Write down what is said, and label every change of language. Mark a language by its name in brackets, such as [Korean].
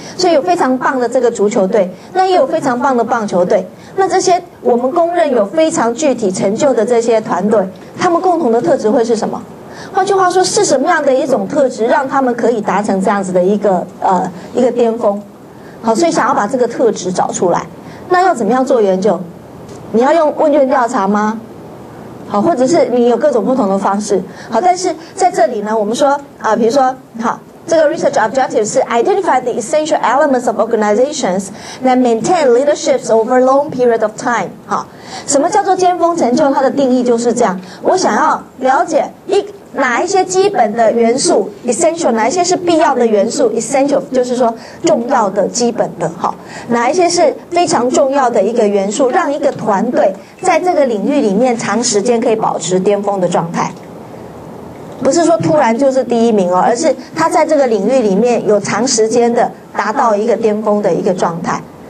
[Chinese] 所以有非常棒的这个足球队，那也有非常棒的棒球队，那这些我们公认有非常具体成就的这些团队，他们共同的特质会是什么？换句话说，是什么样的一种特质让他们可以达成这样子的一个巅峰？好，所以想要把这个特质找出来，那要怎么样做研究？你要用问卷调查吗？好，或者是你有各种不同的方式。好，但是在这里呢，我们说啊，比如说，好，这个 [English] research objective 是 identify the essential elements of organizations that maintain leaderships over long period of time。 [Chinese] 好，什么叫做尖峰成就？它的定义就是这样。我想要了解哪一些基本的元素 essential， 哪一些是必要的元素 essential， 就是说重要的基本的，好，哪一些是非常重要的一个元素，让一个团队在这个领域里面长时间可以保持巅峰的状态，不是说突然就是第一名哦，而是他在这个领域里面有长时间的达到一个巅峰的一个状态。